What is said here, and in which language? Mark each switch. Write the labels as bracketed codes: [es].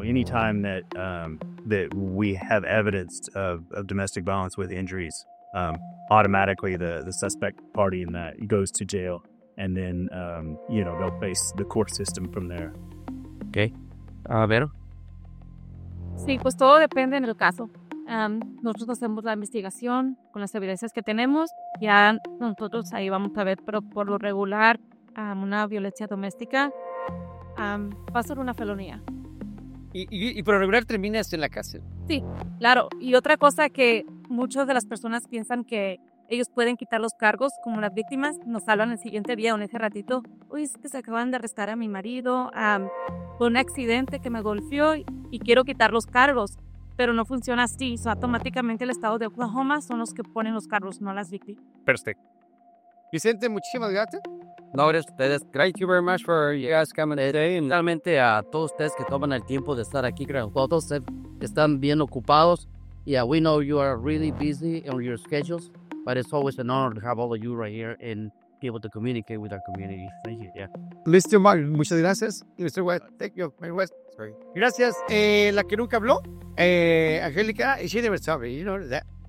[en] Anytime that that we have evidence of domestic violence with injuries, automatically the suspect party in that goes to jail, and then they'll face the court system from there. Okay. Vero? [es] Sí, pues todo depende en el caso. Nosotros hacemos la investigación con las evidencias que tenemos. Ya nosotros ahí vamos a ver, pero por lo regular, una violencia doméstica va a ser una felonía. Y por lo regular terminas en la cárcel. Sí, claro. Y otra cosa que muchas de las personas piensan que ellos pueden quitar los cargos como las víctimas, nos hablan el siguiente día o en ese ratito. Uy, es que se acaban de arrestar a mi marido por un accidente que me golpeó y quiero quitar los cargos. Pero no funciona así. So, automáticamente el estado de Oklahoma son los que ponen los cargos, no las víctimas. Perfecto. Vicente, muchísimas gracias. No, gracias a ustedes. [en] Thank you very much for you guys coming today. [es] Realmente a todos ustedes que toman el tiempo de estar aquí. Todos están bien ocupados. [en] Yeah, we know you are really busy on your schedules. But it's always an honor to have all of you right here and be able to communicate with our community. Thank you. Yeah. [es] Listo, Mark. Muchas gracias. Mr. West. [en] Thank you. [es] Mr. West. [en] Sorry. [es] Gracias. La que nunca habló, Angélica, [en] she never told me, you know that.